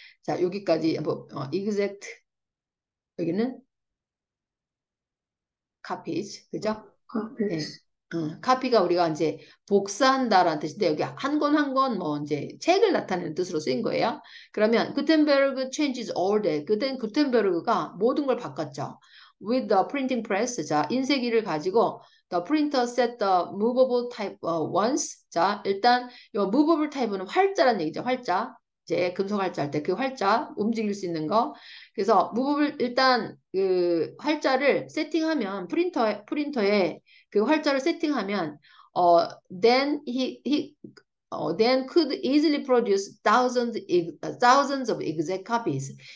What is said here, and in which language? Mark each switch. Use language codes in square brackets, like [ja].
[ko] 자, 여기까지 뭐 exact 여기는 copies 그죠? 네. 카피가 우리가 이제 복사한다라는 뜻인데 여기 한권한권뭐 이제 책을 나타내는 뜻으로 쓰인 거예요. 그러면 [en] Gutenberg changes all that. [ko] 그땐 Gutenberg가 모든 걸 바꿨죠. [en] With the printing press. [ko] 자, 인쇄기를 가지고 [en] the printer set the movable type once. [ko] 자, 일단 이 movable type는 활자라는 얘기죠. 활자. 이제 금속 활자 할때그 활자 움직일 수 있는 거. 그래서 무브를 일단 그 활자를 세팅하면 프린터에 그 활자를 세팅하면 [en] then he then could easily produce thousands of exact copies.